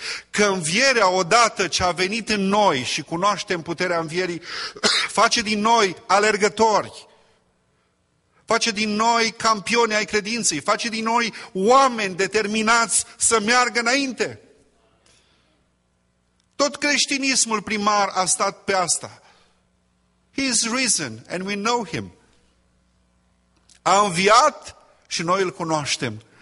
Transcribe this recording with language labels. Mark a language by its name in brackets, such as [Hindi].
[Romanian] Că învierea, odată ce a venit în noi și cunoaștem puterea învierii, face din noi alergători, face din noi campioni ai credinței, face din noi oameni determinați să meargă înainte. Tot creștinismul primar a stat pe asta. [English] He is risen and we know him. [Romanian] A înviat și noi îl cunoaștem.